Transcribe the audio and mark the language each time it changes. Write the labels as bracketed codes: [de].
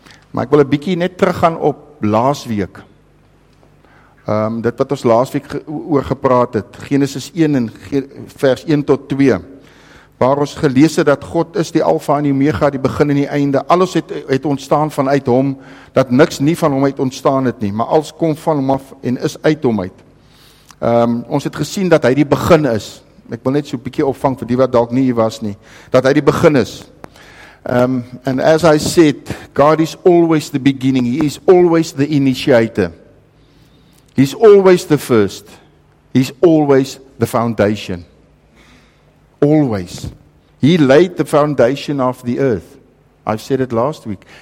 [af] Maar ek wil 'n bietjie net teruggaan op laasweek. Dit wat ons laasweek oor gepraat het, Genesis 1 en vers 1 tot 2. Waar ons gelees het dat God is die Alfa en die Omega, die begin en die einde. Alles het ontstaan vanuit hom, dat niks nie van hom uit ontstaan het nie, maar alles kom van hom af en is uit hom uit. Ons het gesien dat hy die begin is. Ek wil net so 'n bietjie opvang vir die wat dalk nie hier was nie, dat hy die begin is. [en] And as I said, God is always the beginning, he is always the initiator. He's always the first. He's always the foundation. Always. He laid the foundation of the earth. I've said it last week.